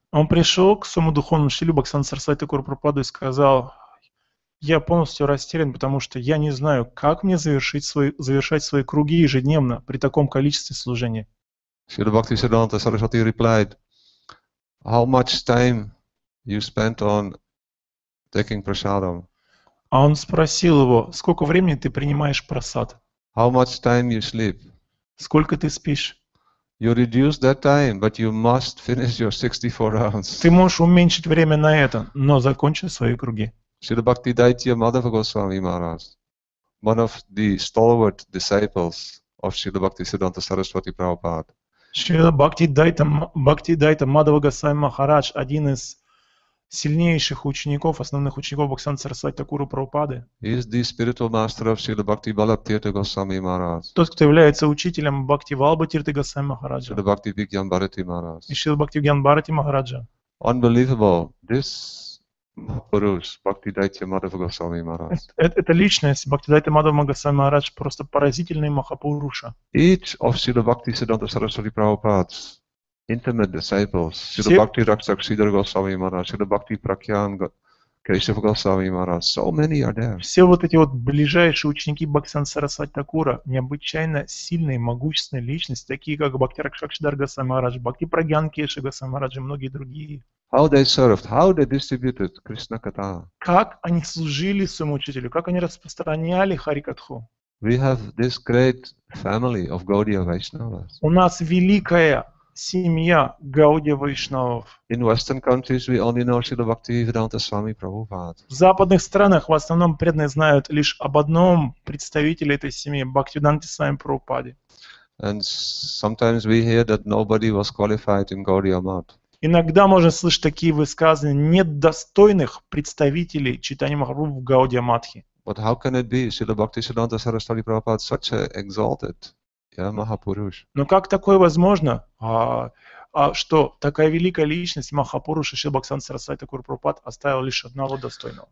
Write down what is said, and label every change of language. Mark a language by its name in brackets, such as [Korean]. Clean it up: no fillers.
[Russian] Он пришел к своему духовному Шрилу Бхактисиддханта Сарасвати Гуру Прабхупаде и сказал, я полностью растерян, потому что я не знаю, как мне завершить свой, завершать свои круги ежедневно при таком количестве служения. [English] Шрилу Бхактисиддханта Сарасвати replied, how much time you spent on taking prasadam? [Russian] А он спросил его, сколько времени ты принимаешь прасад? [English] How much time you sleep? [Russian] Сколько ты спишь? [English] You reduce that time, but you must finish your 64 rounds. [Russian] Ты можешь уменьшить время на это, но закончи свои круги. [English] Śrīla Bhaktivedanta Madhava Goswami Maharaj, one of the stalwart disciples of Śrīla Bhaktivedanta Saraswati Prabhupada. [Russian] Śrīla Bhaktivedanta Madhava Goswami Maharaj, один из сильнейших учеников, основных учеников Бхактисиддханты Сарасвати Такура Прабхупады. [English] Is the spiritual master of Śrīla Bhakti Balabhtirtha Goswami Maharaj. [Russian] Тот, кто является учителем Бхакти Валбхатирты Госвами Махараджа. [English] Śrīla Bhakti Vigyan Bharati Maharaj. [Russian] И Śrīla Bhakti Vigyan Bharati Maharaja. [English] Unbelievable. This Mahapurush, Bhaktivedanta Madhava Goswami Maharaj. [Russian] Это личность Бхактиведанта Мадхава Госвами Махарадж, просто поразительный Махапуруша. [English] Each of Śrīla Bhaktisiddhanta Sarasvati Prabhupada's intimate disciples, Śrīla Bhakti Rakshak Sridhara Goswami Maharaj, Śrīla Bhakti Prakyan Keshava Goswami Maharaj, so many are there. [Russian] Все вот эти вот ближайшие ученики Бхактисиддханты Сарасвати Такура, необычайно сильные, могущественные личности, такие как Бхакти Ракшак Сридхара Госвами Махарадж, Бхакти Прагьян Кеша Госвами Махарадж и многие другие. [English] How they served, how they distributed Krishna Katha. [Russian] Как они служили своему учителю, как они распространяли Харикатху. [English] We have this great family of Gaudiya Vaishnavas. [Russian] У нас великая семья Гаудия Вайшнавов. [English] In Western countries we only know Śrīla Bhaktivedanta Swami Prabhupada. [Russian] В западных странах в основном преданные знают лишь об одном представителе этой семьи, Бхактивиданте Свами Прабхупаде. [English] And sometimes we hear that nobody was qualified in Gaudiya Math. [Russian] Иногда можно слышать такие высказывания, нет достойных представителей Чайтанья Махапрабху в Гаудия Матхе. [English] But how can it be? Śrīla Bhaktisiddhanta Sarasvati Prabhupada such an exalted Махапуруш. [Russian] Но как такое возможно, что такая великая личность Махапуруш, Шрила Бхактисиддханта Сарасвати Такур Прабхупад, оставил лишь одного достойного?